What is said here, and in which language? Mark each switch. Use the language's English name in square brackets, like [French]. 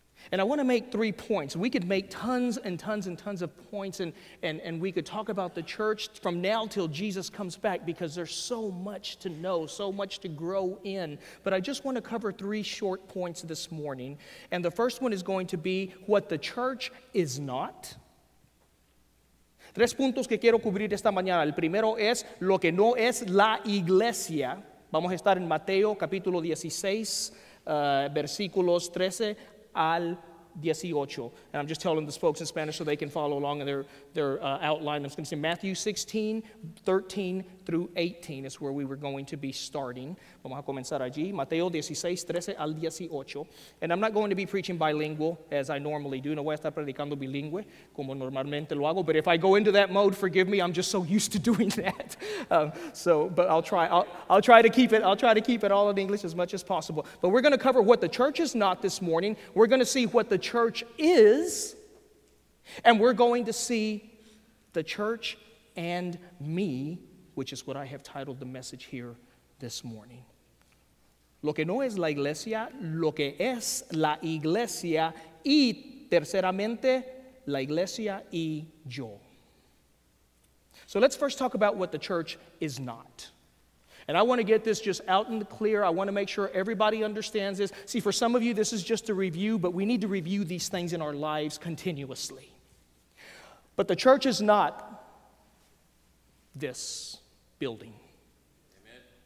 [English] And I want to make three points. We could make tons and tons and tons of points, and we could talk about the church from now till Jesus comes back, because there's so much to know, so much to grow in. But I just want to cover three short points this morning. And the first one is going to be what the church is not. [Spanish] Tres puntos que quiero cubrir esta mañana. El primero es lo que no es la iglesia. Vamos a estar en Mateo capítulo 16, versículos 13 al 18. [English] And I'm just telling the folks in Spanish so they can follow along in their outline. I'm just going to say Matthew 16, 13 through 18 is where we were going to be starting. [Spanish] Vamos a comenzar allí. Mateo 16, 13 al 18. [English] And I'm not going to be preaching bilingual as I normally do. [Spanish] No voy a estar predicando bilingüe como normalmente lo hago. [English] But if I go into that mode, forgive me, I'm just so used to doing that. But I'll try to keep it all in English as much as possible. But we're going to cover what the church is not this morning. We're going to see what the church is, and we're going to see the church and me, which is what I have titled the message here this morning. [Spanish] Lo que no es la iglesia, lo que es la iglesia, y terceramente, la iglesia y yo. [English] So let's first talk about what the church is not. And I want to get this just out in the clear. I want to make sure everybody understands this. See, for some of you, this is just a review, but we need to review these things in our lives continuously. But the church is not this building. Amen.